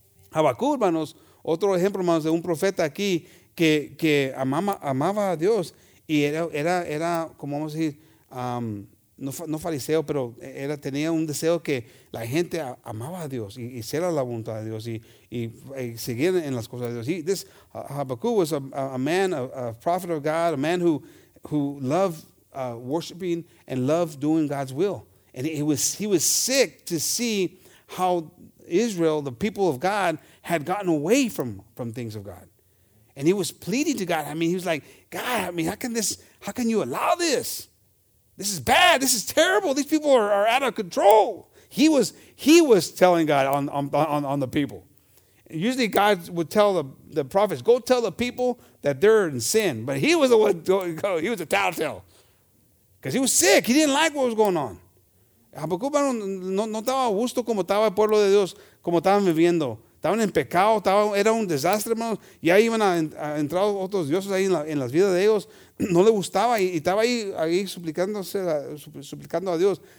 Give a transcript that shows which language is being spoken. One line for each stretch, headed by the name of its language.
Spanish: Habacuc, hermanos, otro ejemplo, hermanos, de un profeta aquí que amaba a Dios y era como vamos a decir, no fariseo, pero tenía un deseo que la gente amaba a Dios y hiciera la voluntad de Dios y seguir en las cosas de Dios.
English: This Habacuc was a man, a prophet of God, a man who loved worshiping and loved doing God's will. And he was sick to see how Israel, the people of God, had gotten away from things of God. And he was pleading to God. I mean, he was like, God, I mean, how can you allow this? This is bad. This is terrible. These people are out of control. He was telling God on the people. Usually God would tell the prophets, go tell the people that they're in sin. But he was the one going, he was a telltale. Because he was sick. He didn't like what was going on.
Spanish: Habacuc no estaba a gusto como estaba el pueblo de Dios, como estaban viviendo. Estaban en pecado, era un desastre, hermanos. Ya iban a entrar otros dioses ahí en las vidas de ellos. No le gustaba y estaba ahí suplicando a Dios.